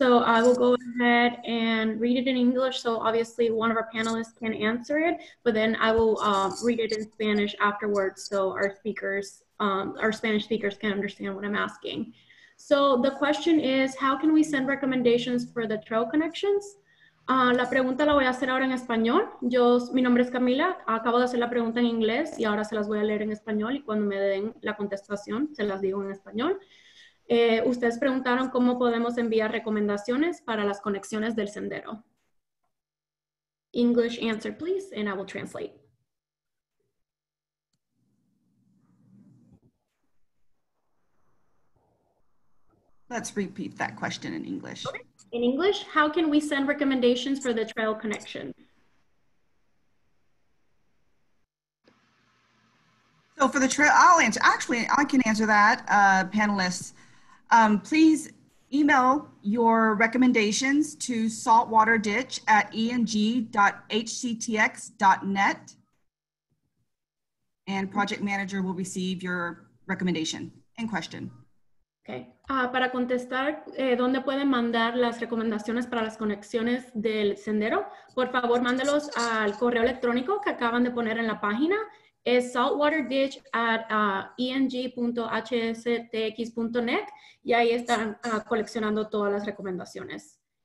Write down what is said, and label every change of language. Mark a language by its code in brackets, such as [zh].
[en] So I will go ahead and read it in English. So obviously one of our panelists can answer it, but then I will read it in Spanish afterwards so our speakers, our Spanish speakers can understand what I'm asking. So the question is, how can we send recommendations for the trail connections? [es] La pregunta la voy a hacer ahora en español. Yo, mi nombre es Camila, acabo de hacer la pregunta en inglés y ahora se las voy a leer en español y cuando me den la contestación se las digo en español. Ustedes preguntaron cómo podemos enviar recomendaciones para las conexiones del sendero. [en] English answer, please, and I will translate. Let's repeat that question in English. Okay. In English, how can we send recommendations for the trail connection? So for the trail, I can answer that, panelists. Please email your recommendations to saltwaterditch@eng.hctx.net and project manager will receive your recommendation and question. Okay. [es] Para contestar, ¿dónde pueden mandar las recomendaciones para las conexiones del sendero? Por favor, mándelos al correo electrónico que acaban de poner en la página. Es saltwaterditch@eng.hctx.net y ahí están coleccionando todas las recomendaciones.